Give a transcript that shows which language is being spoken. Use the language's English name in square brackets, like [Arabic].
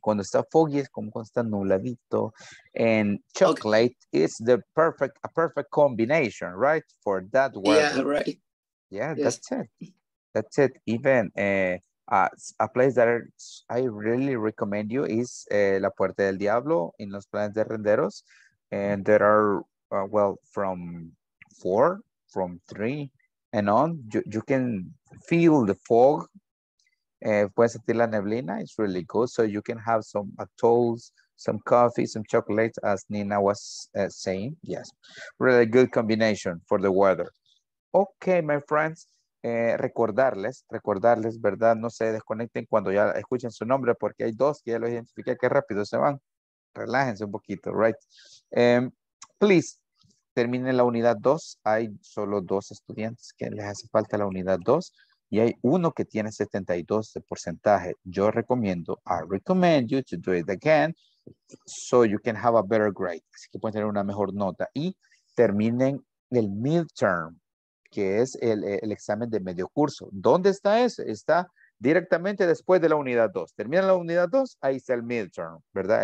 [Spanish] Cuando está foggy es como cuando está nubladito. [English] And chocolate, okay, is the perfect, a perfect combination, right? For that world. Yeah, right. Yeah, yes. That's it. Even a place that I really recommend you is La Puerta del Diablo in Los Planes de Renderos. And there are, from three and on, you can feel the fog. [Spanish] Puedes sentir la neblina. [English] It's really good. So you can have some atolls, some coffee, some chocolate, as Nina was saying. Yes, really good combination for the weather. Okay, my friends, [Spanish] recordarles, ¿verdad? No se desconecten cuando ya escuchen su nombre, porque hay dos que ya lo identifiqué. Qué rápido se van. Relájense un poquito, right? Please, terminen la unidad 2. Hay solo dos estudiantes que les hace falta la unidad 2. Y hay uno que tiene 72 de porcentaje. Yo recomiendo, [English] I recommend you to do it again so you can have a better grade. [Spanish] Así que pueden tener una mejor nota. Y terminen el midterm, que es el examen de medio curso. ¿Dónde está eso? Está directamente después de la unidad 2. Termina la unidad 2, ahí está el midterm, ¿verdad?